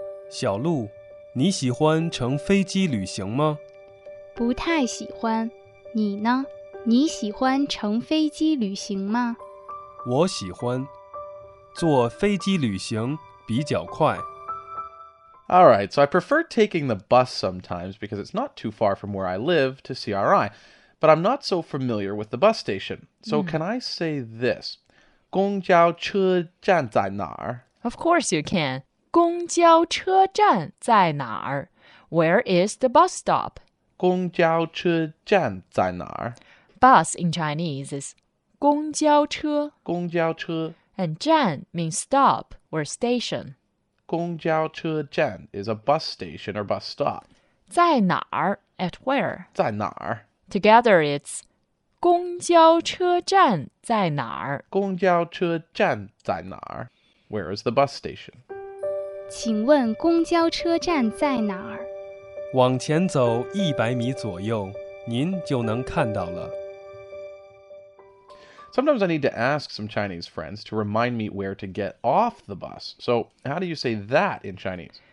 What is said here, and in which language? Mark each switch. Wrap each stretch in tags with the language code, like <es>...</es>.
<zh>小鹿,你喜欢乘飞机旅行吗? 不太喜欢，你呢？你喜欢乘飞机旅行吗？我喜欢，坐飞机旅行比较快。</zh> <en>All right, so I prefer taking the bus sometimes because it's not too far from where I live to CRI, but I'm not so familiar with the bus station. So can I say this?</en> <zh>公交车站在哪儿?</zh> <en>Of course you can.</en> <zh>公交车站在哪儿?</zh> <en>Where is the bus stop?</en> <zh>公交车站在哪儿?</zh> <en>Bus in Chinese is 公交车。</en> <zh>公交车。</zh> <en>And 站 means stop or station. 公交车站 is a bus station or bus stop.</en> <zh>在哪儿?</zh> <en>At where?</en> <zh>在哪儿?</zh> <en>Together it's</en> <zh>公交车站在哪儿? 公交车站在哪儿?</zh> <en>Where is the bus station?</en> <zh>请问公交车站在哪儿? 往前走100米左右,您就能看到了。</zh> <en>Sometimes I need to ask some Chinese friends to remind me where to get off the bus. So, how do you say that in Chinese?</en>